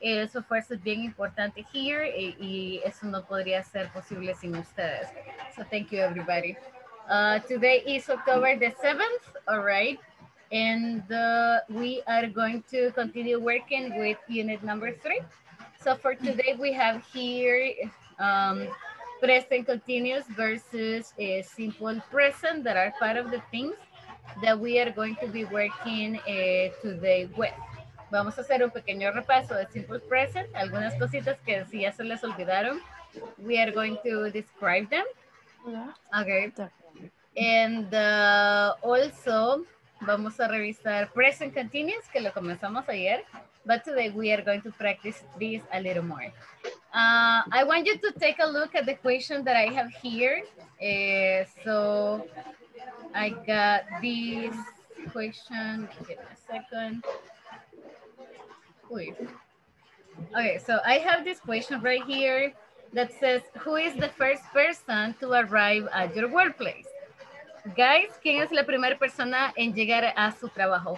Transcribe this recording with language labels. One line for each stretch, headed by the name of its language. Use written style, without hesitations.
Spanish: Su fuerza es bien importante here y eso no podría ser posible sin ustedes.
English: So thank you, everybody. Today is October the 7th, all right? And we are going to continue working with unit number 3. So for today, we have here present continuous versus a simple present that are part of the things that we are going to be working today with.
Spanish: Vamos a hacer un pequeño repaso de Simple Present. Algunas cositas que si ya se les olvidaron,
English: we are going to describe them. Okay. And also,
Spanish: vamos a revisar Present Continuous, que lo comenzamos ayer.
English: But today we are going to practice this a little more. I want you to take a look at the question that I have here. So I got this question. Give me a second. Okay, so I have this question right here that says, who is the first person to arrive at your workplace?
Spanish: Guys, ¿quién es la primera persona en llegar a su trabajo?